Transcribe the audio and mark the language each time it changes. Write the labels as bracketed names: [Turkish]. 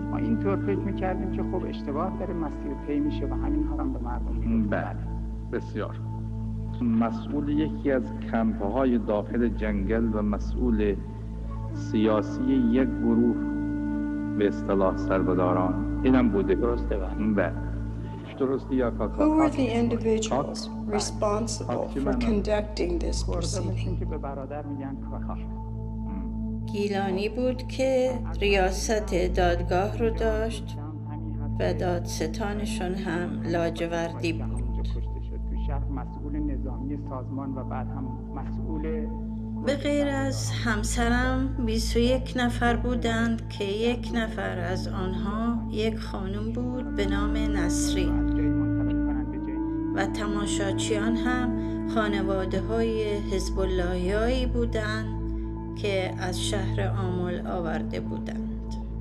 [Persian] ما اینطور فکر میکردیم که خب اشتباه داره مسیر پی میشه و همین حالم به مردم میگه. بسیار. مسئول یکی از کمپهای داخل جنگل و مسئول سیاسی یک گروه به اصطلاح سربداران، اینم بوده. درسته و [English] Who were the individuals responsible for conducting this proceeding? [Persian] گیلانی بود که ریاست دادگاه رو داشت و دادستانشون هم لاجوردی بود. به غیر از همسرم 21 نفر بودند که یک نفر از آنها یک خانم بود به نام نسرین و تماشاچیان هم خانواده های حزب اللهیایی بودند که از شهر آمل آورده بودند.